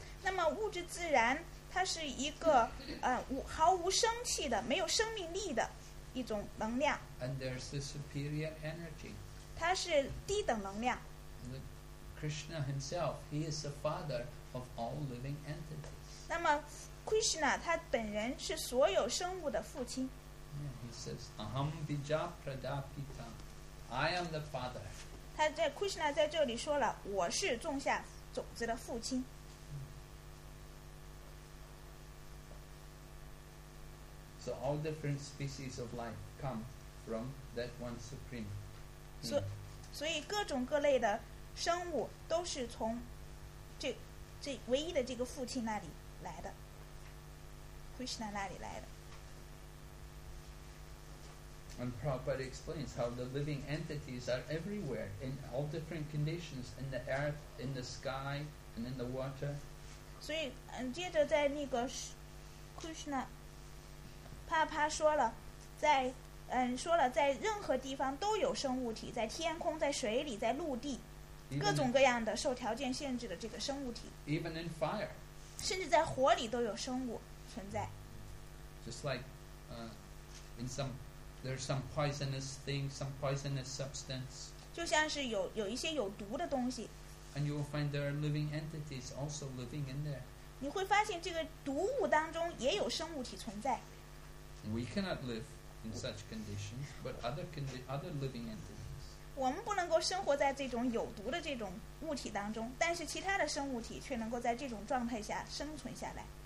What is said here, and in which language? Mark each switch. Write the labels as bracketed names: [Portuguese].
[Chinese] 那么物质自然, 它是一个, 毫无生气的, 没有生命力的, [English] and there's the superior energy. Krishna himself, he is the father of all living entities. [Chinese] 那么, Krishna, 他本人是所有生物的父亲。 [English] He says, [Sanskrit] Aham bija pradapita. [English] I am the father. [Chinese] 他在, Krishna 在这里说了, 我是种下种子的父亲。 [English] So all different species of life come from that one supreme. [Chinese] So, 所以各种各类的生物都是从这唯一的这个父亲那里来的, Krishna 那里来的。 [English] And Prabhupada explains how the living entities are everywhere in all different conditions, in the earth, in the sky, and in the water. [Chinese] 所以接着在那个 Krishna 帕帕说了在 说了在任何地方都有生物体, 在天空, 在水里, 在陆地, 各种各样的受条件限制的这个生物体, [English] even in fire, [Chinese] 甚至在火里都有生物存在, [English] just like in some, there's some poisonous thing, some poisonous substance, [Chinese] 就像是有一些有毒的东西, [English] and you will find there are living entities also living in there. [Chinese] 你会发现这个毒物当中也有生物体存在, [English] we cannot live in such conditions, but other living entities. [Chinese] 我们不能够生活在这种有毒的这种物体当中, 但是其他的生物体却能够在这种状态下生存下来。